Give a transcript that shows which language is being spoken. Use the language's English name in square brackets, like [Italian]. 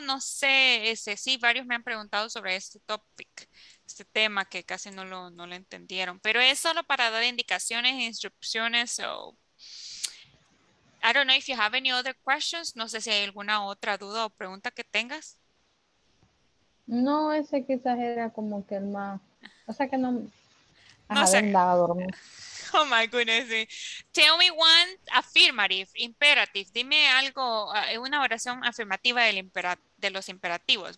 [Spanish] No sé, ese, sí, varios me han preguntado sobre este topic, este tema que casi no lo entendieron. Pero es solo para dar indicaciones e instrucciones. [English] So, I don't know if you have any other questions. [Spanish] No sé si hay alguna otra duda o pregunta que tengas. No, ese quizás era como que el más, o sea que no, no sé. [English] Oh my goodness. Tell me one affirmative, imperative. [Spanish] Dime algo, una oración afirmativa del de los imperativos.